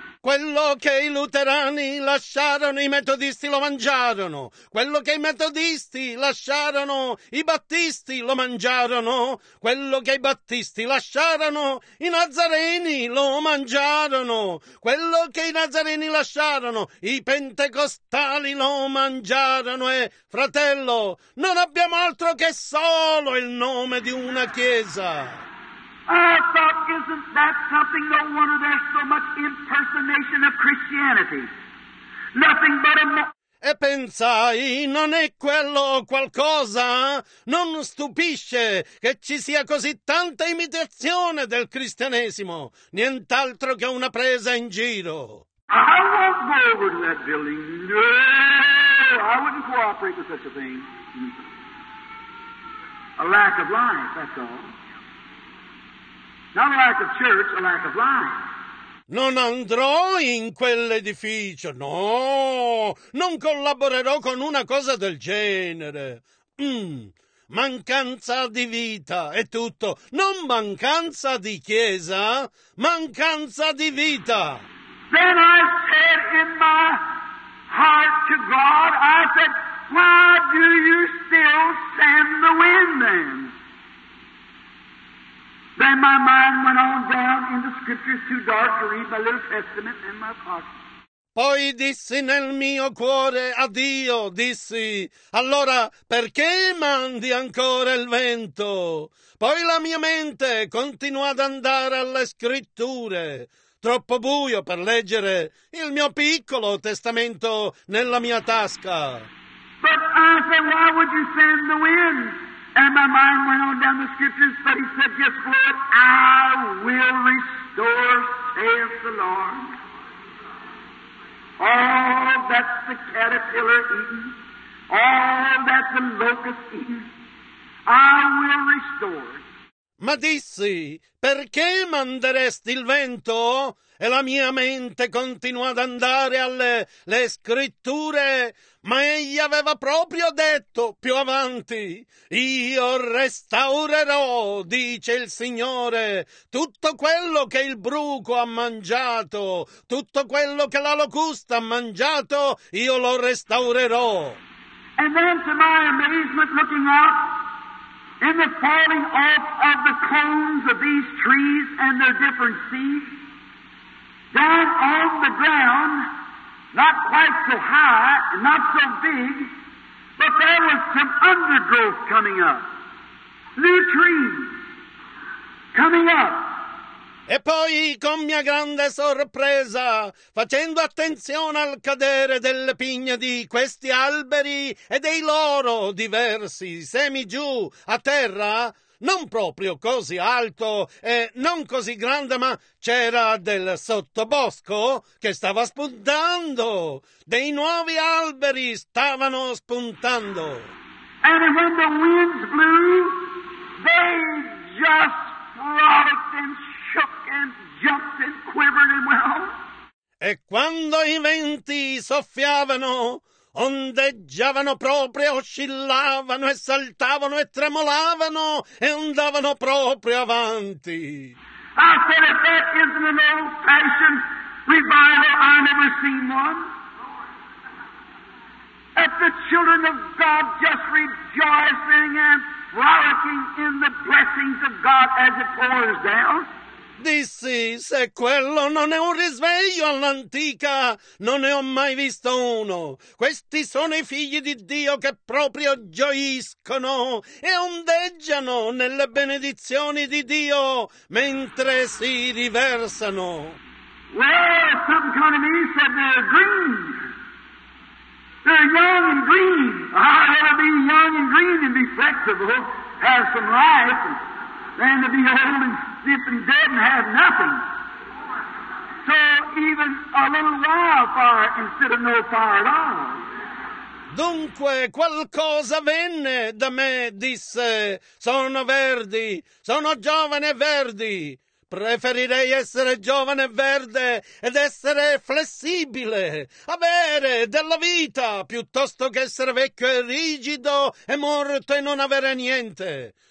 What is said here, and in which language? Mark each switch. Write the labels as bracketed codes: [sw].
[it] Quello che i luterani lasciarono, i metodisti lo mangiarono. Quello che i metodisti lasciarono, i battisti lo mangiarono. Quello che i battisti lasciarono, i nazareni lo mangiarono. Quello che i nazareni lasciarono, i pentecostali lo mangiarono. E, fratello, non abbiamo altro che solo il nome di una chiesa. [en] I thought, isn't that something? No wonder there's so much impersonation of Christianity. Nothing but a... [it] E pensai, non è quello qualcosa? Non stupisce che ci sia così tanta imitazione del cristianesimo? Nient'altro che una presa in giro. [en] I won't go over to that building. No, I wouldn't cooperate with such a thing. A lack of life, that's all. Not a lack of church, a lack of life. [it] Non andrò in quell'edificio, no! Non collaborerò con una cosa del genere. Mancanza di vita è tutto. Non mancanza di chiesa, mancanza di vita. [en] Then I said in my heart to God, I said, why do you still send the wind then? Then my mind went on down in the scriptures, too dark to read my little testament in my pocket. [it] Poi dissi nel mio cuore a Dio, dissi, allora perché mandi ancora il vento? Poi la mia mente continuò ad andare alle scritture, troppo buio per leggere il mio piccolo testamento nella mia tasca. [en] But I said, why would you send the wind? And my mind went on down the scriptures, but he said, yes, Lord, I will restore, saith the Lord, all that the caterpillar eaten, all that the locust eaten, I will restore. [it] Ma dissi, perché manderesti il vento? E la mia mente continuò ad andare alle le scritture, ma egli aveva proprio detto più avanti, io restaurerò, dice il Signore, tutto quello che il bruco ha mangiato, tutto quello che la locusta ha mangiato, io lo restaurerò. [en] And then to my amazement looking up, in the falling off of the cones of these trees and their different seeds, down on the ground, not quite so high, not so big, but there was some undergrowth coming up, new trees coming up. [it] E poi, con mia grande sorpresa, facendo attenzione al cadere delle pigne di questi alberi e dei loro diversi semi giù a terra, non proprio così alto e non così grande, ma c'era del sottobosco che stava spuntando, dei nuovi alberi stavano spuntando. [en] And when the winds blew, they just rocked and shook and jumped and quivered and well. [it] E quando i venti soffiavano, ondeggiavano proprio, oscillavano e saltavano e tremolavano e andavano proprio avanti. [en] I said, if that isn't an old-fashioned revival, I've never seen one. that the children of God just rejoicing and frolicking in the blessings of God as it pours down? [it] Dissi, se quello non è un risveglio all'antica, non ne ho mai visto uno. Questi sono i figli di Dio che proprio gioiscono e ondeggiano nelle benedizioni di Dio mentre si riversano. [en] Well, some kind of means that they're green. They're young and green. I want to be young and green and be flexible, have some life, and to be old and stiff and dead and have nothing. So even a little wildfire instead of no fire at all. [it] Dunque, qualcosa venne da me, disse, sono verdi, sono giovane e verdi. Preferirei essere giovane e verde ed essere flessibile, avere della vita, piuttosto che essere vecchio e rigido e morto e non avere niente.